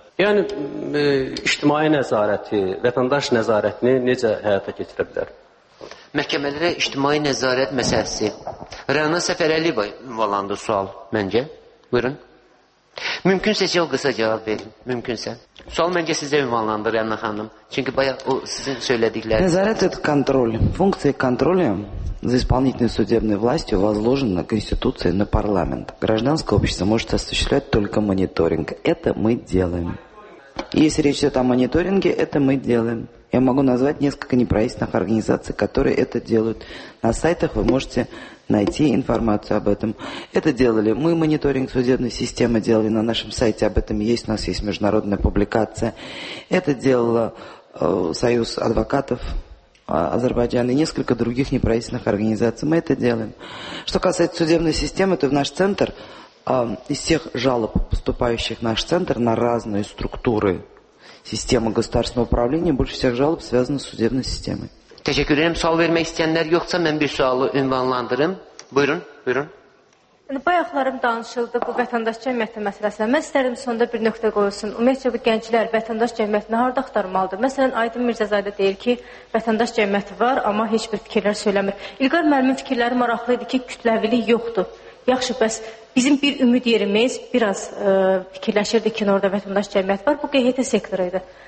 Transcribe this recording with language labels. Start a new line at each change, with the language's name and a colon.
Azerbaijani: Yəni, ictimai nəzarəti, vətəndaş nəzarətini necə həyata keçirə bilər? Məhkəmələrə ictimai nəzarət məsələsi. Rəna Səfərəli ünvanlandı sual məncə. Buyurun. Mümkünsə çox qısa cavab verin, mümkünsə. Sual məncə sizə ünvanlandı, Rəna xanım. Çünki bayaq o sizin söylədikləriniz. Nəzarət et kontrol. Funksiya kontrolu
Russian: за исполнительной судебной властью возложена Конституцией на парламент. Гражданское общество может осуществлять только мониторинг. Это мы делаем. Если речь идет о мониторинге, это мы делаем. Я могу назвать несколько неправительственных организаций, которые это делают. На сайтах вы можете найти информацию об этом. Это делали мы, мониторинг судебной системы делали на нашем сайте. Об этом есть, у нас есть международная публикация. Это делала Союз адвокатов Азербайджан и несколько других неправительственных организаций. Мы это делаем. Что касается судебной системы, то в наш центр, из всех жалоб, поступающих в наш центр на разные структуры системы государственного управления, больше всех жалоб связано с судебной системой.
Azerbaijani: Teşekkür ederim. Sual vermek isteyenler yoksa ben bir sualı ünvanlandırırım. Buyurun, buyurun. Bayaqlarım danışıldı bu vətəndaş cəmiyyəti məsələsində. Mən istərdim sonda bir nöqtə qoyulsun. Ümumiyyətcə bu gənclər vətəndaş cəmiyyətini harada axtarmalıdır? Məsələn, Aydın Mirzəzadə deyir ki, vətəndaş cəmiyyəti var, amma heç bir fikirlər söyləmir. İlqar müəllimin fikirləri maraqlıdır ki, kütləvilik yoxdur. Yaxşı, bəs bizim bir ümid yerimiz biraz fikirləşirdi ki, orada vətəndaş cəmiyyəti var. Bu QHT sektoruydu.